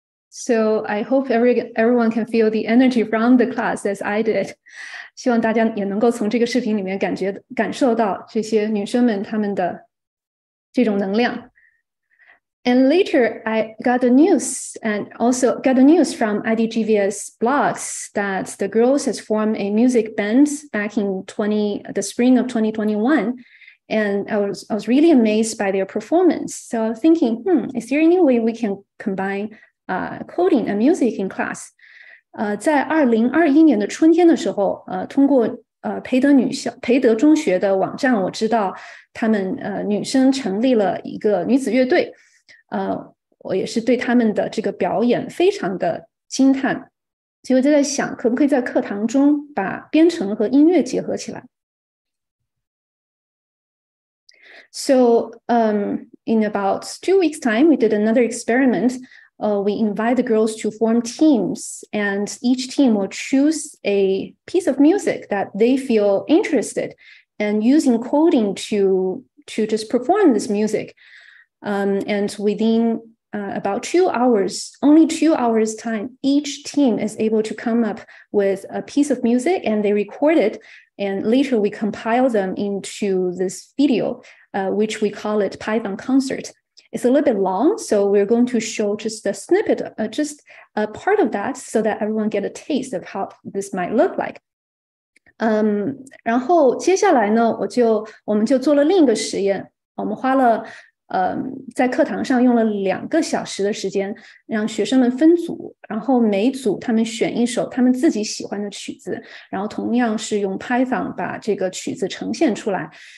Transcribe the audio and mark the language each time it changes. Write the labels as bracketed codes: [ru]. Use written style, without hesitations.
[en] So I hope everyone can feel the energy from the class as I did. [zh] 希望大家也能够从这个视频里面感受到这些女生们她们的这种能量。 [en] And later, I got the news and also got the news from IDGVS blogs that the girls has formed a music band back in the spring of 2021. And I was really amazed by their performance. So I was thinking, is there any way we can combine coding and music in class? [zh] 在2021年的春天的时候，通过培德女校培德中学的网站，我知道他们女生成立了一个女子乐队，我也是对他们的这个表演非常的惊叹，所以我就在想，可不可以在课堂中把编程和音乐结合起来。 [en] So, in about 2 weeks' time, we did another experiment. We invite the girls to form teams, and each team will choose a piece of music that they feel interested in, and using coding to just perform this music. And within about 2 hours, only 2 hours' time, each team is able to come up with a piece of music, and they record it, and later we compile them into this video. Which we call it Python concert. It's a little bit long, so we're going to show just a snippet, just a part of that, so that everyone get a taste of how this might look like. [zh] 然后接下来呢，我们就做了另一个实验。我们花了，在课堂上用了两个小时的时间，让学生们分组，然后每组他们选一首他们自己喜欢的曲子，然后同样是用 Python 把这个曲子呈现出来。